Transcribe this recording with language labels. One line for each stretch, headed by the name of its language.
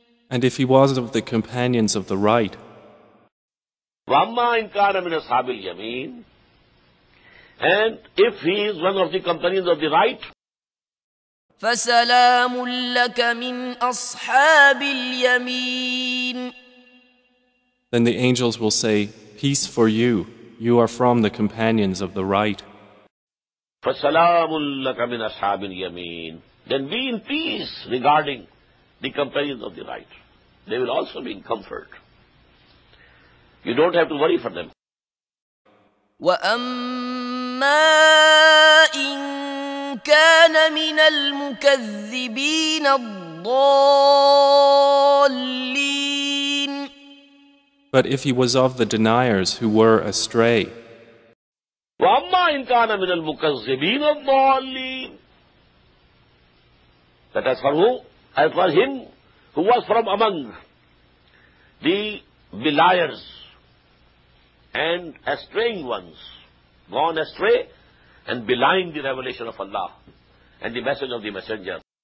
English: And if he was of the companions of the right.
Arabic: وَأَمَّا إِن كَانَ مِنْ أَصْحَابِ الْيَمِينَ.
English: And if he is one of the companions of the right.
Arabic: فسلام لك من أصحاب اليمين.
English: Then the angels will say, peace for you, you are from the companions of the right.
Arabic: فسلام لك من أصحاب اليمين.
English: Then be in peace regarding the companions of the right. They will also be in comfort. You don't have to worry for them.
Arabic: وأما إن كان من المكذبين الضالين.
English: But if he was of the deniers who were astray.
Arabic: وأما إن كان من المكذبين الضالين.
English: That as for who? As for him who was from among the liars and astraying ones, gone astray and belying the revelation of Allah and the message of the Messenger.